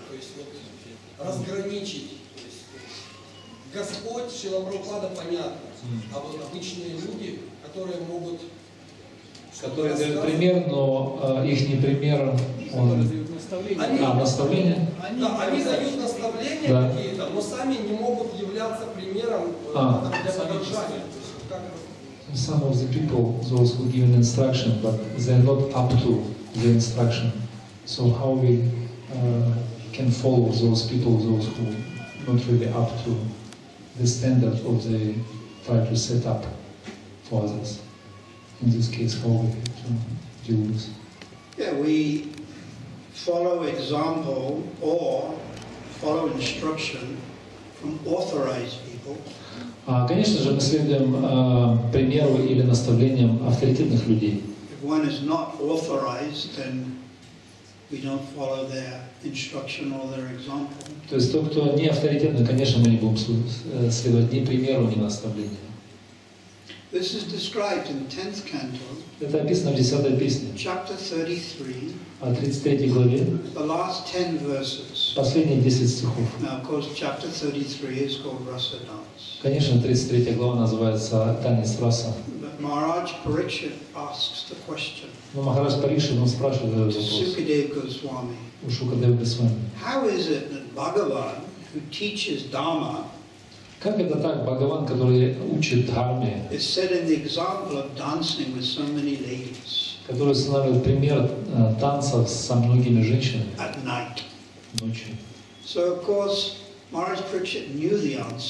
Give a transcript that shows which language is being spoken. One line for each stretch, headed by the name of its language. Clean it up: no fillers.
Russian: То есть вот разграничить. Господь, Шрила Прабхупада, понятно. А вот обычные люди, которые могут... Которые дают пример, но их не пример, он... Наставление. Они дают наставления какие-то, но сами не могут являться примером для подражания.
English: Some of the people, those who give an instruction, but they're not up to the instruction. So how we... can follow those people, those who are not really up to the standard of the try to set up for others. In this case, how we do this? Yeah, we follow example or follow instruction from authorized people.
Russian: Конечно же, мы следуем примеру или наставлениям авторитетных людей.
English: If one is not authorized, then we don't follow their instruction or their example.
Russian: То есть тот, кто не авторитетный, конечно, мы не будем следовать ни примеру, ни наставлению.
English: This is described in the 10th canto.
Russian: Это описано в 10-й песне.
English: Chapter 33.
Russian: В 33 главе.
English: The last 10 verses.
Russian: Последние 10 стихов.
English: Now, of course, chapter 33 is called Rasa Dance.
Russian: Конечно, 33 глава называется танец Раса.
English: Maharaj Pariksit asks the question.
Russian: Но Махарадж Парикшит он спрашивает этот вопрос. Шукадева Госвами. У Шукадева Госвами.
English: How is it that Bhagavan, who teaches Dharma,
Russian: как это так, Бхагаван, который учит дхарме, который устанавливает пример танцев со многими женщинами ночью?